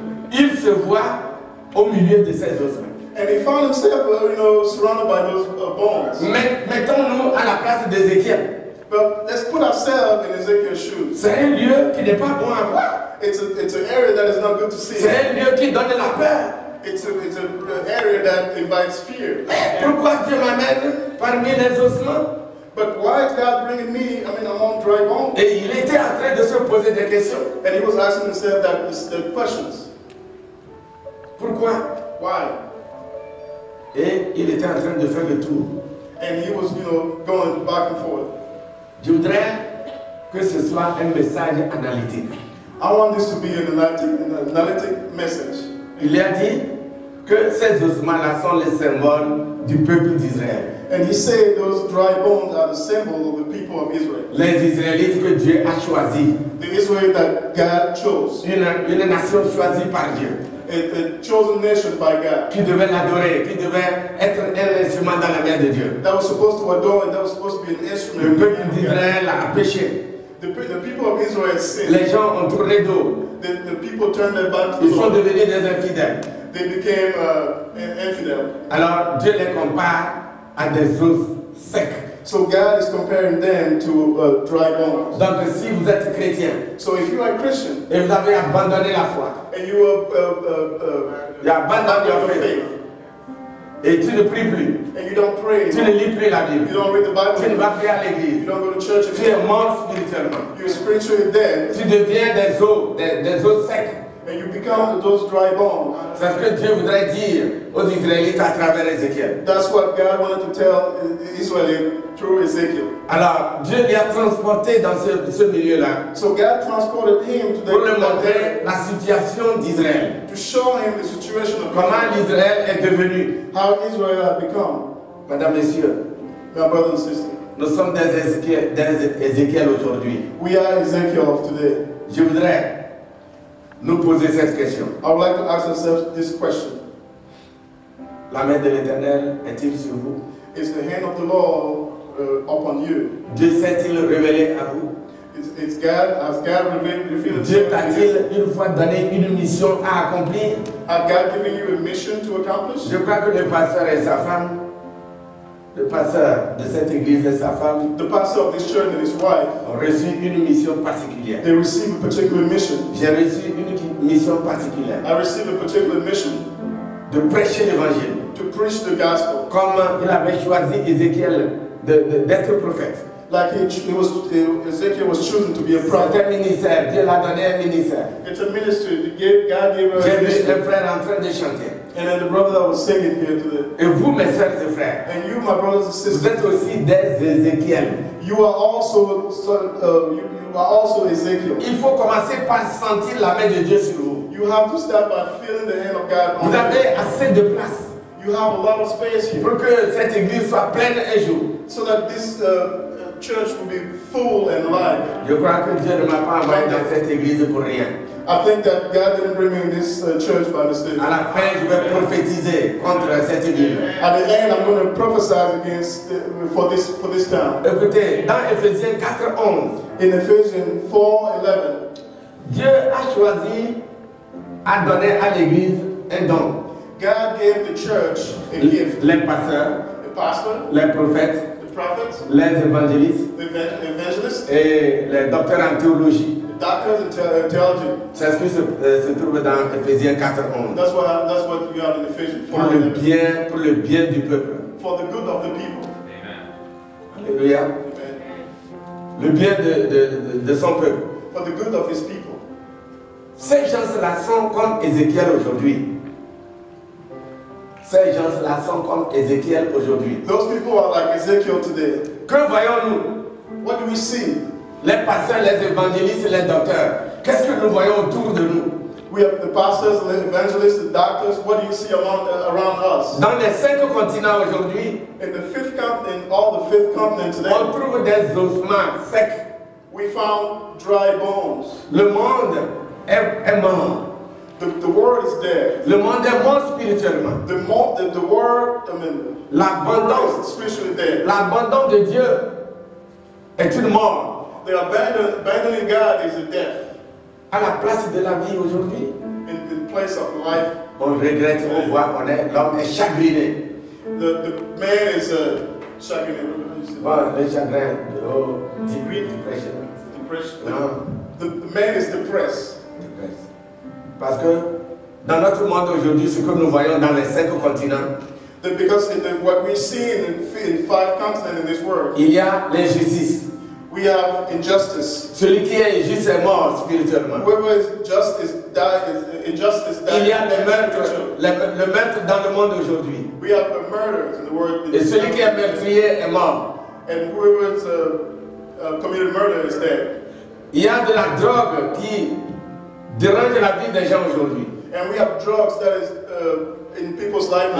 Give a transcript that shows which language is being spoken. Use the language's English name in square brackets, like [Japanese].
[French] Il se voit au milieu de ses ossements. [English] And he found himself, surrounded by those bones. [French] Mettons-nous à la place d'Ézéchiel. [English] But let's put ourselves in Ezekiel's shoes. [French] C'est un lieu qui n'est pas bon à voir. [English] It's an area that is not good to see. [French] C'est un lieu qui donne la peur. [English] It's an area that invites fear. [French] Pourquoi Dieu m'amène parmi les ossements? [English] But why is God bringing me, among dry bones? [French] Et il était en train de se poser des questions. [English] And he was asking himself that the questions. [French] Pourquoi? [English] Why? [French] Et il était en train de faire le tour. [English] And he was, going back and forth. [French] Je voudrais que ce soit un message analytique. [English] I want this to be an analytic message. [French] Il a dit que ces ossements-là sont les symboles du peuple d'Israël. [English] And he said those dry bones are the symbol of the people of Israel. [French] Les Israélites que Dieu a choisi. [English] The Israel that God chose. [French] Une nation choisie par Dieu. [English] A chosen nation by God. [French] Qui devait l'adorer, qui devait être un instrument dans la main de Dieu. [English] That was supposed to adore and that was supposed to be an instrument. [French] Le peuple d'Israël a péché. [English] The people of Israel sinned. [French] Les gens ont tourné dos. [English] The people turned their back to [French] Ils sont devenus des infidèles. [English] They became infidel. [French] Alors Dieu les compare à des os secs. [English] So God is comparing them to dry bones. [French] Donc si vous êtes chrétien, [English] so if you are Christian, [French] et vous avez abandonné la foi, [English] and you abandon your faith, [French] et tu ne pries plus, [English] and you don't pray, [French] tu ne lis plus la Bible, [English] you don't read the Bible, [French] tu ne vas plus à l'église, [English] you don't go to church, [French] tu es mort spirituellement, [English] you're spiritually dead, [French] tu deviens des os secs. [English] And you become those dry bones. [French] C'est ce que Dieu voudrait dire aux Israélites à travers Ézéchiel. [English] That's what God wanted to tell Israel through Ezekiel. [French] Alors, Dieu l'a transporté dans ce milieu-là. [English] So God transported him to the [French] pour lui montrer la situation d'Israël. [English] To show him the situation of [French] comment Israël est devenu. [English] How Israel has become. [French] Madame, Monsieur. [English] My brother and sister. [French] Nous sommes des Ézéchiel aujourd'hui. [English] We are Ezekiel of today. [French] Je voudrais nous poser cette question. [English] I would like to ask ourselves this question. [French] La main de l'Éternel est-il sur vous? [English] Is the hand of the Lord upon you? [French] Dieu s'est-il révélé à vous? [English] Is God, has God revealed [French] Dieu t'a-t-il une fois donné une mission à accomplir? [English] Has God given you a mission to accomplish? [French] Je crois que le pasteur et sa femme, le pasteur de cette église et sa femme, [English] the pastor of this church and his wife, [French] ont reçu une mission particulière. [English] They received a particular mission. [French] J'ai reçu une mission particulière. [English] I received a particular mission. [French] De prêcher l'évangile. [English] To preach the gospel. [French] Comme il avait choisi Ézéchiel d'être prophète. [English] Like Ezekiel was chosen to be a prophet. [French] C'est un ministère. Dieu l'a donné un ministère. [English] It's a ministry. God gave a [French] J'ai vu le frère en train de chanter. [English] And then the brother that was singing here today. [French] Et vous, mes sœurs et frères. [English] And you, my brothers and sisters. [French] Vous êtes aussi des Ézéchiel. [English] You are also Ezekiel. [French] Il faut commencer par sentir la main de Dieu sur vous. [English] You have to start by feeling the hand of God on you. [French] Vous avez assez de place. [English] You have a lot of space here. [French] Pour que cette église soit pleine un jour. [English] So that this church will be full and alive. [French] Je crois que Dieu ne m'a pas envoyé dans cette église pour rien. [English] I think that God didn't bring me in this church by mistake. [French] À la fin, je vais prophétiser contre cette ville. [English] At the end, I'm going to prophesy against for this town. [French] Écoutez, dans Ephésiens 4:11. [English] In Ephesians 4:11, [French] Dieu a choisi à donner à l'église un don. [English] God gave the church a gift. [French] Les pasteurs. [English] The pastor. [French] Les prophètes. [English] The prophets. [French] Les évangélistes. [English] The evangelists. [French] Et les docteurs en théologie. [English] Doctors intelligent. [French] C'est ce qui se trouve dans Ephésiens 4:11. [English] That's what you have in Ephesians [French] 4:11. Pour le bien du peuple. [English] For the good of the people. Amen. Alléluia. Amen. [French] Le bien de son peuple. [English] For the good of his people. [French] Ces gens-là sont comme Ézéchiel aujourd'hui. Ces gens-là sont comme Ézéchiel aujourd'hui. [English] Those people are like Ezekiel today. [French] Que voyons-nous? [English] What do we see? [French] Les pasteurs, les évangélistes, les docteurs. Qu'est-ce que nous voyons autour de nous? [English] We have the pastors, the evangelists, the doctors. What do you see around us? [French] Dans les cinq continents aujourd'hui, [English] in the fifth continent, all the fifth continent today, [French] on trouve des ossements secs. [English] We found dry bones. [French] Le monde est mort. [English] The world is dead. [French] Le monde est mort spirituellement. [English] The world, [French] l'abandon, [English] is spiritually dead. [French] L'abandon de Dieu est une mort. [English] The abandoning God is a death. [French] À la place de la vie aujourd'hui, [English] in place of life, [French] on regrette, on voit, on est, l'homme est chagriné. [English] The man is chagriné. [French] Bon, le chagrin, [English] depression. Depression. The man is depressed. [French] Parce que dans notre monde aujourd'hui, ce que nous voyons dans les cinq continents. [English] That because in the, what we see in five continents in this world, [French] il y a l'injustice. [English] We have injustice. [French] Celui qui est injuste est mort spirituellement. [English] Whoever is just is dying. Injustice dying. [French] Il y a le meurtre. Le meurtre dans le monde aujourd'hui. [English] We have the murders in the world. [French] Et celui qui est meurtrier est mort. [English] And whoever is committed murder is dead. [French] Il y a de la drogue qui dérange la vie des gens aujourd'hui. [English] And we have drugs that is in people's lives.